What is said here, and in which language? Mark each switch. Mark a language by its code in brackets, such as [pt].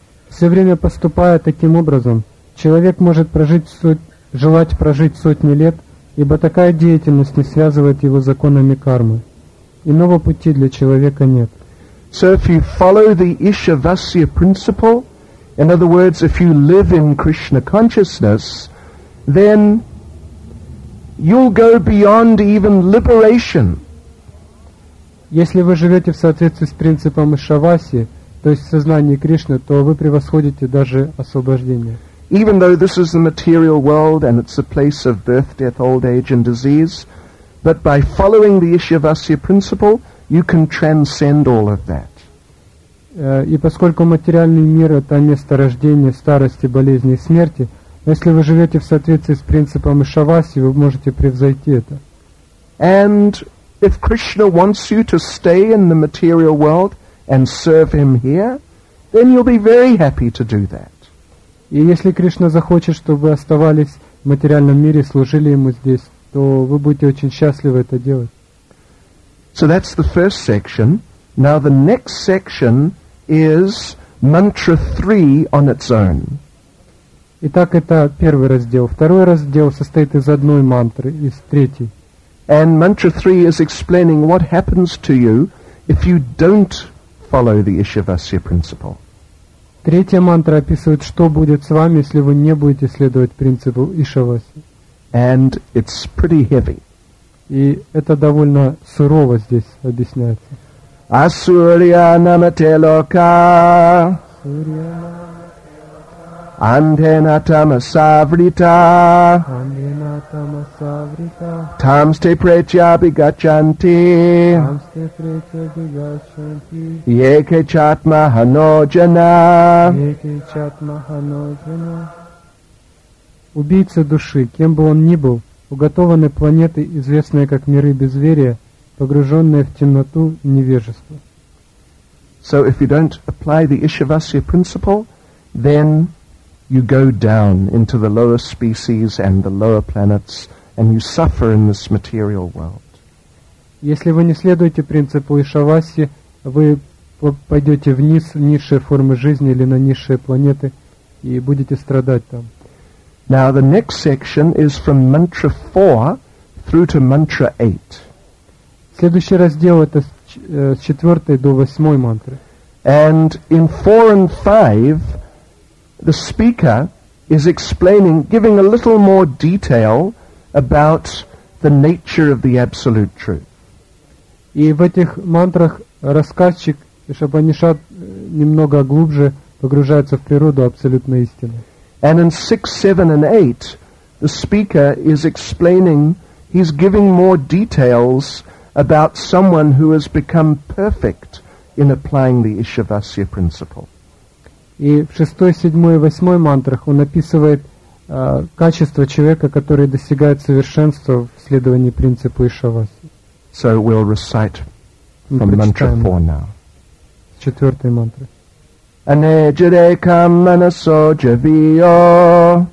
[ru] Все время поступая таким образом, человек может прожить желать прожить сотни лет, ибо такая деятельность не связывает его законами кармы. Иного пути для человека нет. [en] So if you follow the Ishavasya principle, in other words, if you live in Krishna consciousness, then you'll go beyond even liberation. [ru] Если вы живете в соответствии с принципом Ишавасьи, то есть в сознании Кришны, то вы превосходите даже освобождение. [en] Even though this is the material world and it's a place of birth, death, old age and disease, but by following the Ishavasya principle, you can transcend all of that. [ru] И поскольку материальный мир – это место рождения, старости, болезни и смерти, но если вы живете в соответствии с принципом Ишавасьи, вы можете превзойти это. [en] And if Krishna wants you to stay in the material world and serve him here, then you'll be very happy to do that. [ru] И если Кришна захочет, чтобы вы оставались в материальном мире, служили ему здесь, то вы будете очень счастливы это делать. [en] So that's the first section. Now the next section is mantra 3 on its own. [ru] Итак, это первый раздел. Второй раздел состоит из одной мантры, из третьей. [en] And mantra 3 is explaining what happens to you if you don't follow the Ishavasya principle. [ru] Третья мантра описывает, что будет с вами, если вы не будете следовать принципу Ишавасьи. [en] And it's pretty heavy. [ru] И это довольно сурово здесь объясняется. [sa] Asurya namate loka. Surya. Andhena tamasavrita. Andhena tamasavrita. Tamste precha bigachanti. Tamste precha bigachanti. Yeke chatma hanojana. Yeke chatma hanojana. [ru] Убийца души, кем бы он ни был, уготованы планеты, известные как миры безверия, погруженные в темноту и невежество. [en] So if you don't apply the Ishavasya principle, then you go down into the lower species and the lower planets, and you suffer in this material world. [ru] Если вы не следуете принципу Ишавасьи, вы пойдете вниз, в низшие формы жизни или на низшие планеты, и будете страдать там. [en] Now the next section is from mantra 4 through to mantra 8. [ru] Следующий раздел это с 4 до 8 мантры. [en] And in 4 and 5, the speaker is explaining, giving a little more detail about the nature of the absolute truth. [ru] И в этих мантрах рассказчик Ишапанишад немного глубже погружается в природу абсолютной истины. [en] And in 6, 7 and 8, the speaker is explaining, he's giving more details about someone who has become perfect in applying the Ishavasya principle. [ru] И в 6, 7 и 8 мантрах он описывает качество человека, который достигает совершенства в следовании принципу Ишавасы. [en] So we'll recite from mantra 4 now. [ru] С четвертой мантры. [sa] Anejate kamanaso javiyo.